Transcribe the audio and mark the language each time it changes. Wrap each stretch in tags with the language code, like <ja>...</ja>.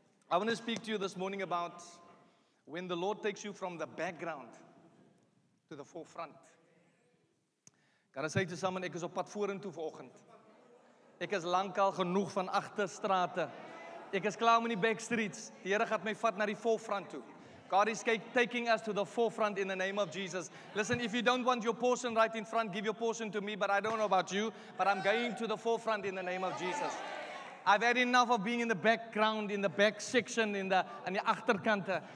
<en>I want to speak to you this morning about when the Lord takes you from the background to the forefront.</en> <af>Kan ek sê te samen, ek is op pad vorentoe vanoggend. Ek is lankal genoeg van agterstrate. Ek is klaar met die backstreets. Die Here gaat my vat na die forefront toe.</af> <en>God is taking us to the forefront in the name of Jesus. Listen, if you don't want your portion right in front, give your portion to me, but I don't know about you, but I'm going to the forefront in the name of Jesus. I've had enough of being in the background, in the back section, in the achterkant.</en>